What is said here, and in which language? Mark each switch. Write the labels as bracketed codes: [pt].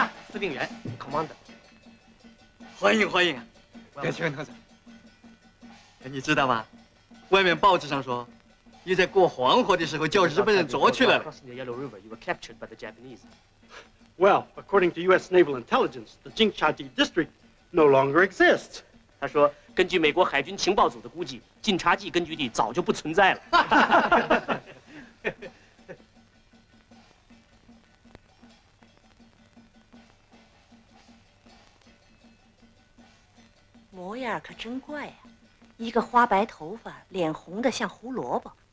[zh] 司令员 [en] ，commander， [zh] 欢迎欢迎，白求恩同志，你知道吗？外面报纸上说，你在过黄河的时候叫日本人捉去了。 [en] Crossing the Yellow River, you were captured by the Japanese. Well, according to U.S. Naval Intelligence, the Jinchaji District no longer exists. [zh] 他说，根据美国海军情报组的估计，晋察冀根据地早就不存在了。模样可真怪呀、啊，一个花白头发，脸红的像胡萝卜。